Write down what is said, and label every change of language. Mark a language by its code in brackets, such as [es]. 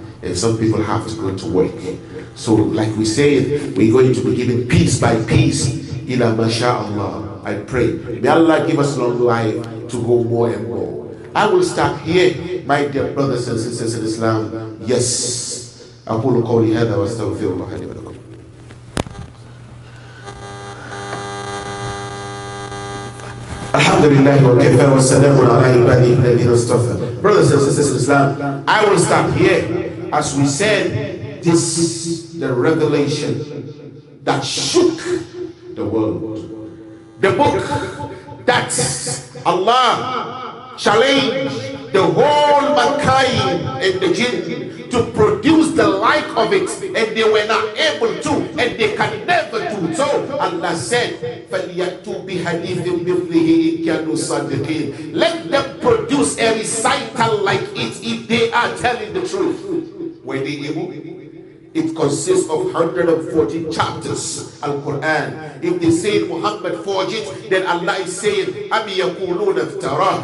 [en] And some people have to go to work. So like we said, we're going to be given piece by piece. [ar] إِلَى مَا شَاءَ اللَّهُ. [en] I pray. May Allah give us long life to go more and more. I will start here, my dear brothers and sisters in Islam. Yes. [ar] أقول قولي هذا وأستغفر الله لي ولكم. الحمد لله وكفى والسلام على عباده الذين اصطفى. [en] Brothers and sisters in Islam, I will start here. As we said, this is the revelation that shook the world. The book that Allah challenged the whole mankind and the jinn to produce the like of it, and they were not able to, and they can never do so. Allah said, [ar] فَلْيَأْتُوا بِحَدِيثٍ مِثْلِهِ إِنْ كَانُوا صَادِقِينَ. [en] Let them produce a recital like it if they are telling the truth. Were they able? It consists of 140 chapters of Quran. If they say Muhammad forged it, then Allah is saying, [ar] "Am yaquluna iftara?"